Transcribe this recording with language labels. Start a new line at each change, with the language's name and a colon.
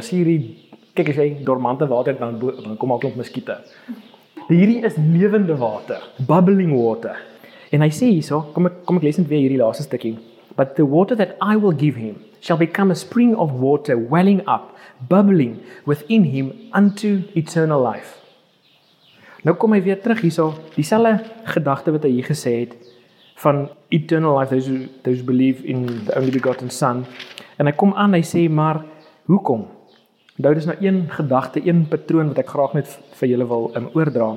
Afrikaans: As hierdie, kyk as jy dormante water, dan kom al klomp muskiete. Hierdie is levende water.
English: Bubbling water.
Afrikaans: En hy sê hierso, kom ek lees net weer hierdie laaste stukkie.
English: But the water that I will give him shall become a spring of water welling up, bubbling within him unto eternal life.
Afrikaans: Nou kom hy weer terug hierso, dieselfde gedagte wat hy hier gesê het,
English: van eternal life, those believe in the only begotten son.
Afrikaans: En hy kom aan, hy sê, maar hoekom? Nou, dis nou een gedagte, een patroon wat ek graag net vir julle wil oordra.